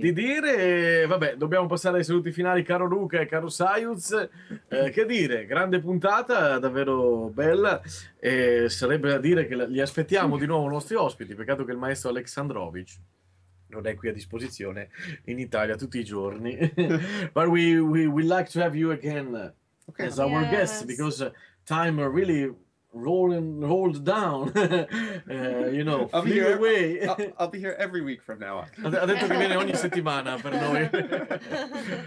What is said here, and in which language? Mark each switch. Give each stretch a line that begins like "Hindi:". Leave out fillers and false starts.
Italian: Di dire, vabbè, dobbiamo passare ai saluti finali, caro Luca e caro Saiuz. Che dire, grande puntata, davvero bella. E sarebbe da dire che gli aspettiamo di nuovo i nostri ospiti, peccato che il maestro Aleksandrovic non è qui a disposizione in Italia tutti i giorni.
English: But we like to have you again as our yes. guest, because time are really rolled down, you know, flew away. I'll be here every week from now on.
Italian: Ha detto che viene ogni settimana per noi.